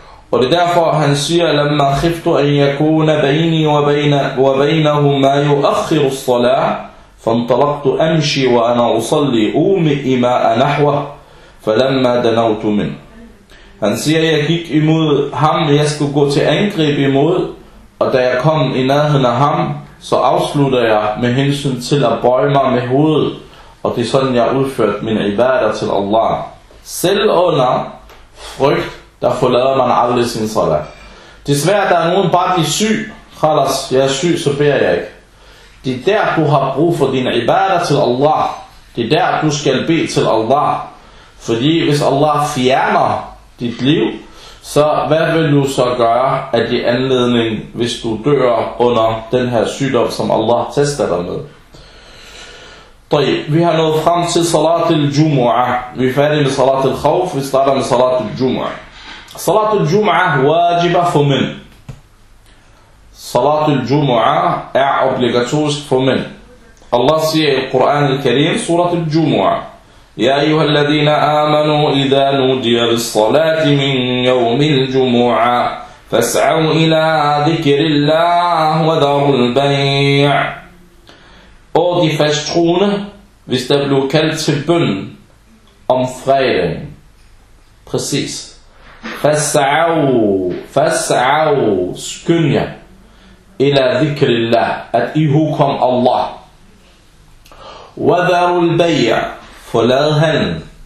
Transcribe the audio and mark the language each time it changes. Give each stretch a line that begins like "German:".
Danish: Og det er derfor, han siger,
Arabic: لما خفت أن يكون بيني وبينه ما يؤخر الصلاة فانطلقت أمشي وأنا أصلي أومئ ماء نحوه فلما دنوت منه.
Danish: Han siger, jeg gik imod ham, jeg skulle gå til angreb imod, og da jeg kom i nærheden af ham, så afslutter jeg med hensyn til at bøje mig med hovedet, og det er sådan, jeg udførte mine ibadah til Allah. Selv under frygt, der forlader man aldrig sin salat. Desværre, der er nogen bare, de er syg. Khalas, jeg er syg, så beder jeg ikke. Det er der, du har brug for dine ibadah til Allah. Det er der, du skal bede til Allah. Fordi hvis Allah fjerner dit liv, så hvad vil du så gøre af din anledning, hvis du dør under den her sygdom, som Allah tester dig med? Vi har nået frem til salatul jumu'ah. Vi er færdige med salatul khawf, vi starter med salatul jumu'ah. Salatul jumu'ah wajiba for mænd. Salatul jumu'ah er obligatorisk for mænd. Allah siger i Quran al-Karim, suratul jumu'ah.
Arabic: يا أيها الذين آمنوا إذا نودي للصلاة من يوم الجمعة فاسعوا إلى ذكر الله وذروا البيع.
Danish: Og de fasttroende, hvis der blev kaldt til bøn om fredagen, præcis, fasau, skynd jer, ila dhikrillah, at I hukom Allah,
Arabic: وذروا البيع,
Danish: forlad han.